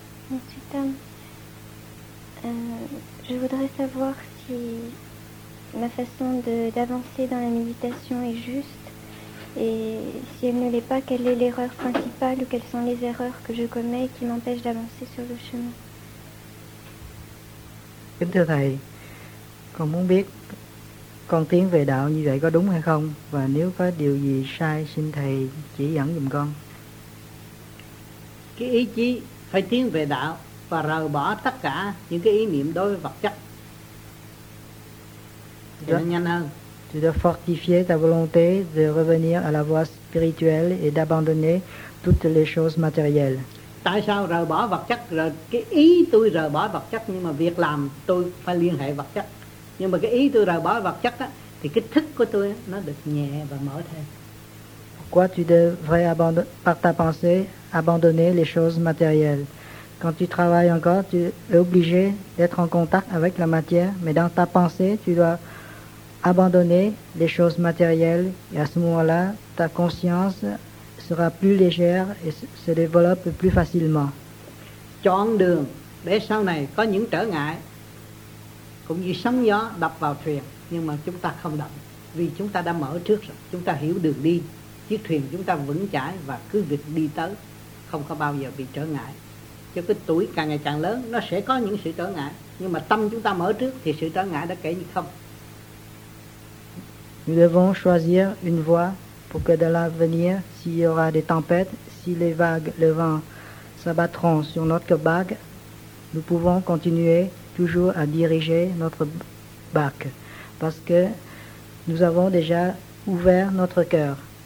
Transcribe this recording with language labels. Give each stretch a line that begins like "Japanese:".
French: Monsieur Tom, je voudrais savoir si ma façon d'avancer dans la méditation est juste, et si elle ne l'est pas, quelle est l'erreur principale ou quelles sont les erreurs que je commets qui m'empêchent d'avancer sur le chemin.
Vietnamese: Con muốn biết con tiến về đạo như vậy có đúng hay không, và nếu có điều gì sai xin thầy chỉ dẫn giùm con. Cái ý chí phải tiến về đạo và rời bỏ tất cả những cái ý niệm đối với vật chất thì nó nhanh hơn.
French: Tu dois fortifier ta volonté de revenir à la voie spirituelle et d'abandonner toutes les choses matérielles.
Vietnamese: Tại sao rời bỏ vật chất? Rồi cái ý tôi rời bỏ vật chất, nhưng mà việc làm tôi phải liên hệ vật chất. Nhưng mà cái ý tôi rời bỏ vật chất á, thì cái thức của tôi á, nó được nhẹ và mở thêm.
French: Pourquoi tu devrais par ta pensée abandonner les choses matérielles? Quand tu travailles encore, tu es obligé d'être en contact avec la matière, mais dans ta pensée, tu dois abandonner les choses matérielles, et à ce moment-là, ta conscience sera plus légère et se développe plus facilement.
Vietnamese: Chọn đường để sau này có những trở ngại cũng như sóng gió đập vào thuyền, nhưng mà chúng ta không động, vì chúng ta đã mở trước rồi, chúng ta hiểu đường đi, chiếc thuyền chúng ta vững chãi và cứ việc đi tới, không có bao giờ bị trở ngại. Cho cái tuổi càng ngày càng lớn, nó sẽ có những sự trở ngại, nhưng mà tâm chúng ta mở trước thì sự trở ngại đã kể như không.
French: Nous devons choisir une voie pour que dans l'avenir, s'il y aura des tempêtes, si les vagues, le vent s'abattront sur notre bague, nous pouvons continuer toujours à diriger notre bac, parce que nous avons déjà ouvert notre cœur.